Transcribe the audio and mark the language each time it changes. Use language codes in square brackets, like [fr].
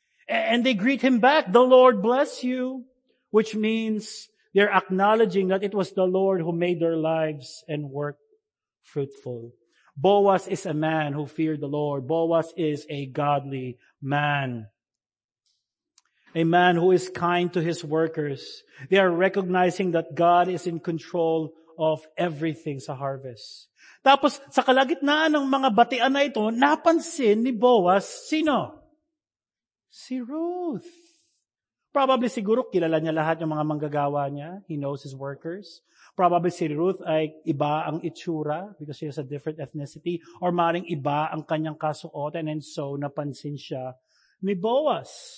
[en] And they greet him back, the Lord bless you. Which means they're acknowledging that it was the Lord who made their lives and work fruitful. Boaz is a man who feared the Lord. Boaz is a godly man. A man who is kind to his workers. They are recognizing that God is in control of everything sa harvest. [tl] Tapos, sa kalagitnaan ng mga batian na ito, napansin ni Boaz, sino? Si Ruth. Probably siguro kilala niya lahat yung mga manggagawa niya. [en] He knows his workers. Probably [tl] si Ruth ay iba ang itsura [en] because she has a different ethnicity. [tl] Or maring iba ang kanyang kasuotan and so napansin siya ni Boaz.